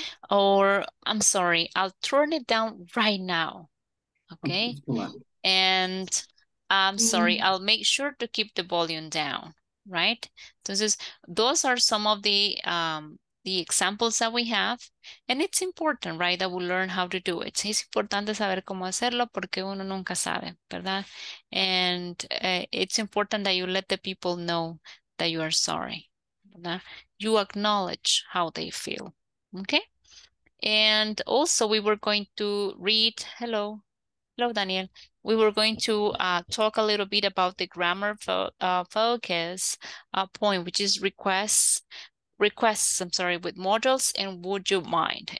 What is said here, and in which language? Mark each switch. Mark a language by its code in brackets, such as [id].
[en] Or I'm sorry, I'll turn it down right now. Okay? And I'm sorry, I'll make sure to keep the volume down, right? Entonces, those are some of the examples that we have. And it's important, right, that we learn how to do it. [es] Es importante saber cómo hacerlo porque uno nunca sabe, ¿verdad? [en] And it's important that you let the people know that you are sorry, [es] ¿verdad? [en] You acknowledge how they feel, okay? And also we were going to read, hello, hello, Daniel. We were going to talk a little bit about the grammar focus point, which is requests, I'm sorry, with modals and would you mind?